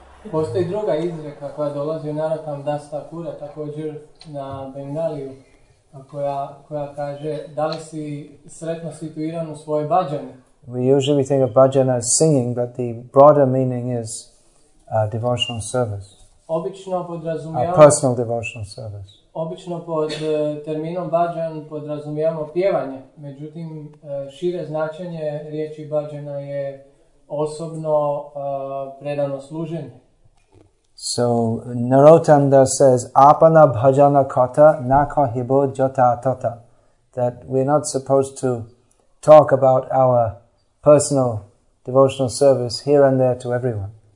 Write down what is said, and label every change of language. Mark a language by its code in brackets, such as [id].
[hr] Postoji druga izreka koja dolazi u Narottam Das Thakura također na Bengaliju, koja kaže da li si sretno situiran u svojoj bhajani. [en] We usually think of bhajan as singing, but the broader meaning is devotional service. [hr] Obično podrazumijamo [en] personal devotional service. [hr] Obično pod terminom bhajan podrazumijamo pjevanje. Međutim, šire značenje riječi bhajana je osobno predano služenje. [en] So Narottam Das says [bn] apana bhajana kata na kahibo jata tata, [en] that we're not supposed to talk about our personal devotional service here and there to everyone.